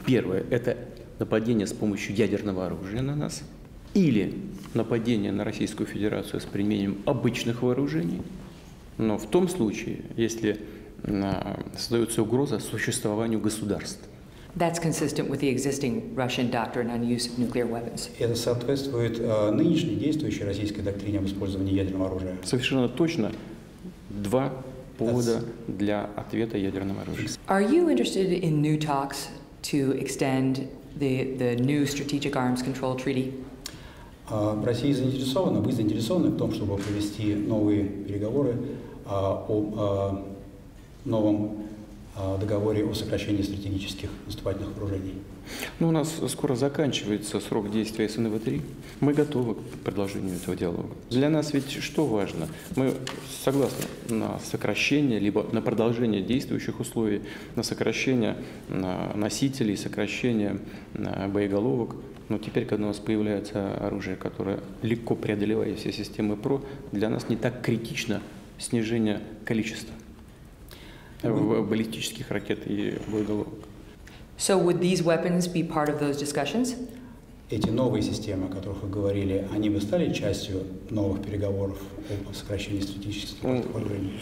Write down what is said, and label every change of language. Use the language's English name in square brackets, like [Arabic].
[Russian] Первое – это нападение с помощью ядерного оружия на нас или нападение на Российскую Федерацию с применением обычных вооружений, но в том случае, если создается угроза существованию государств. [English] That's consistent with the existing Russian doctrine on use of nuclear weapons. [Russian] Это соответствует нынешней действующей российской доктрине об использовании ядерного оружия. Совершенно точно. Два повода для ответа ядерным оружием. [English] Are you interested in new talks to extend the new strategic arms control treaty? [Russian] Россия заинтересована, вы заинтересованы в том, чтобы провести новые переговоры о новом договоре о сокращении стратегических наступательных вооружений? Ну, у нас скоро заканчивается срок действия СНВ-3. Мы готовы к продолжению этого диалога. Для нас ведь что важно? Мы согласны на сокращение, либо на продолжение действующих условий, на сокращение носителей, сокращение боеголовок. Но теперь, когда у нас появляется оружие, которое легко преодолевает все системы ПРО, для нас не так критично снижение количества баллистических ракет и боеголовок. [English] So would these weapons be part of those discussions? [Russian] Эти новые системы, о которых вы говорили, они бы стали частью новых переговоров о сокращении стратегических вооружений?